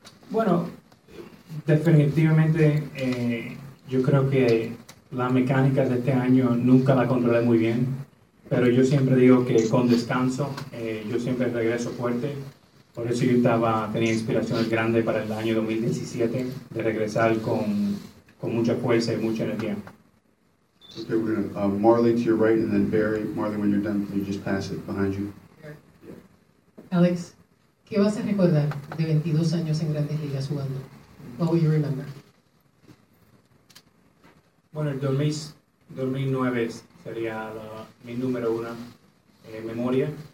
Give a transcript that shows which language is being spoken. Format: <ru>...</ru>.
<es>Bueno, definitivamente, yo creo que la mecánica de este año nunca la controlé muy bien. Pero yo siempre digo que con descanso, yo siempre regreso fuerte. Por eso yo tenía inspiraciones grandes para el año 2017, de regresar con mucha fuerza y mucha energía.</es> <en>Okay, we're going to Marley to your right, and then Barry. Marley, when you're done, can you just pass it behind you? Yeah.</en> <es>Alex, ¿qué vas a recordar de 22 años en Grandes Ligas jugando?</es> <en>What will you remember?</en> <es>Bueno, el 2009 sería mi número una memoria.</es>